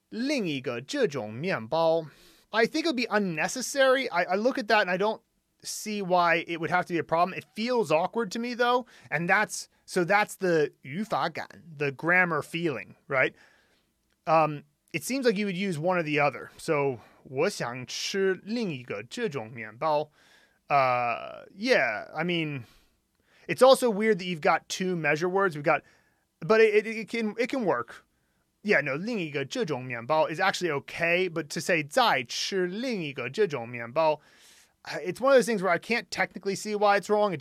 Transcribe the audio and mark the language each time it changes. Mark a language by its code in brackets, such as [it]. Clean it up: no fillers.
[zh] 我想再吃另一个这种面包. [en] I think it would be unnecessary. I look at that and I don't see why it would have to be a problem. It feels awkward to me, though. And that's, so that's the yufagan, the grammar feeling, right? It seems like you would use one or the other. [zh] So, 我想吃另一个这种面包. [en] Yeah, I mean, it's also weird that you've got two measure words. We've got, but it can work. Yeah, no, [zh] 另一个这种面包 [en] is actually okay, but to say [zh] 再吃另一个这种面包, [en] it's one of those things where I can't technically see why it's wrong.